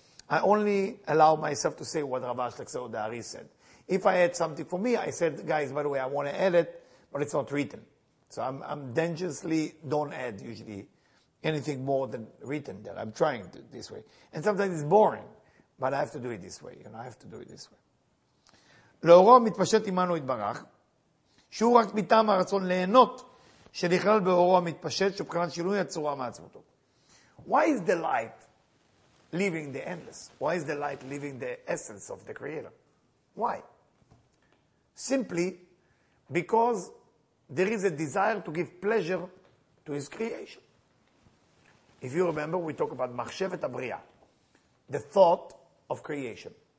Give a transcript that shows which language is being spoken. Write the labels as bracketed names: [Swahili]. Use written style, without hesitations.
[English] I only allow myself to say what Rav Ashlag said or the Ari said. If I had something for me, I said, guys, by the way, I want to add it, but it's not written. So I'm dangerously don't add usually anything more than written there. I'm trying to this way. And sometimes it's boring, but I have to do it this way. You know, I have to do it this way. [Hebrew] לאורו המתפשט עמנו התברך, שהוא רק מטעם הרצון ליהנות שנכלל באורו המתפשט שבחינת שינוי הצורה מעצמותו. [English] Why is the light leaving the endless? Why is the light leaving the essence of the creator? Why? Simply because there is a desire to give pleasure to his creation. If you remember, we talk about Machshevet Abriya, the thought of creation.